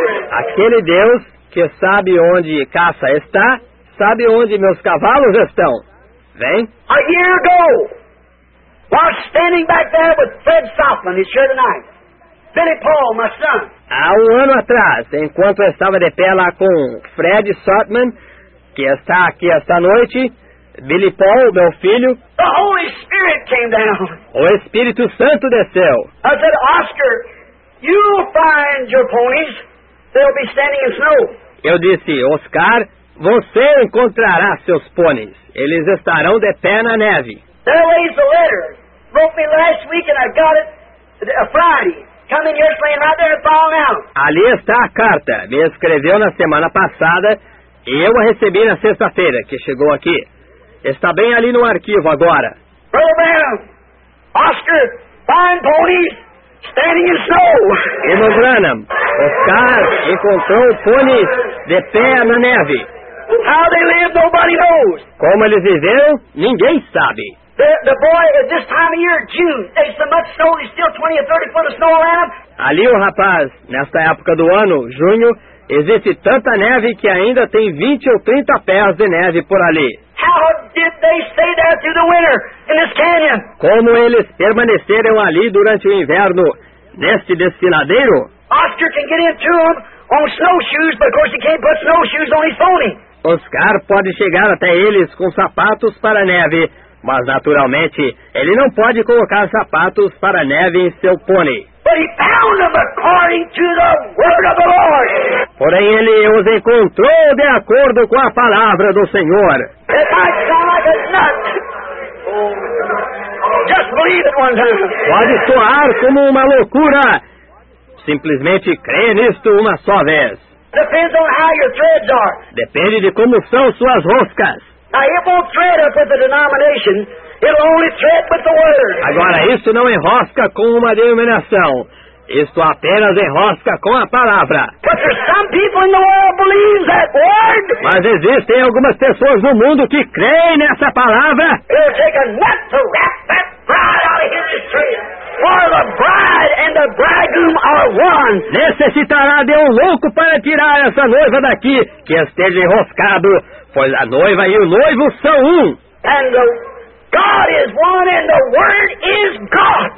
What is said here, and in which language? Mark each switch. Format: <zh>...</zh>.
<pt>Aquele Deus que sabe onde caça está, sabe onde meus cavalos estão. Vem.</pt> <en>A year ago, while standing back there with Fred Southman, his shirt and knife, Billy Paul, my son.</en> <pt>Há um ano atrás, enquanto eu estava de pé lá com Fred Southman, que está aqui esta noite, Billy Paul, meu filho.</pt> <en>The Holy Spirit came down.</en> <pt>O Espírito Santo desceu.</pt> <en>I said, Oscar, you'll find your ponies. They'll be standing in snow.</en> <pt>Eu disse, Oscar, você encontrará seus pôneis. Eles estarão de pé na neve.</pt> <en>There lays the letter. Wrote me last week and I got it a Friday. Come in your sleigh right there and fall down.</en> <pt>Ali está a carta. Me escreveu na semana passada e eu a recebi na sexta-feira que chegou aqui. Está bem ali no arquivo agora.</pt> <en>Brother Branham, Oscar, find ponies, standing in snow.</en> <pt>Irmão Branham, Oscar encontrou pôneis de pé na neve.</pt> <en>How they live, nobody knows.</en> <pt>Como eles viveram, ninguém sabe.</pt> <en>The boy, at this time of year, June, there's so much snow, there's still 20 or 30 foot of snow around.</en> <pt>Ali o rapaz, nesta época do ano, junho, existe tanta neve que ainda tem 20 ou 30 pés de neve por ali.</pt> <en>How did they stay there through the winter in this canyon?</en> <pt>Como eles permaneceram ali durante o inverno neste desfiladeiro?</pt> <en>Oscar can get in through them on snowshoes, but of course he can't put snowshoes on his pony.</en> <pt>Oscar pode chegar até eles com sapatos para neve, mas naturalmente ele não pode colocar sapatos para neve em seu pony.</pt> <en>But he found them according to the word of the Lord.</en> <pt>Porém, ele os encontrou de acordo com a palavra do Senhor.</pt> <en>It might sound like a nut. Just believe it one time.</en> <pt>Pode soar como uma loucura. Simplesmente crê nisto uma só vez.</pt> <en>Depends on how your threads are.</en> <pt>Depende de como são suas roscas.</pt> <en>Now, it won't thread up with the denomination. It'll only thread with the word.</en> <pt>Agora, isso não enrosca com uma denominação. Isto apenas enrosca com a palavra.</pt> <en>But there's some people in the world who believe that word.</en> <pt>Mas existem algumas pessoas no mundo que creem nessa palavra.</pt> <en>It'll take a nut to wrap that bride out of history. For the bride and the bridegroom are one.</en> <pt>Necessitará de um louco para tirar essa noiva daqui que esteja enroscado, pois a noiva e o noivo são um.</pt> <en>And the God is one and the word is God.</en>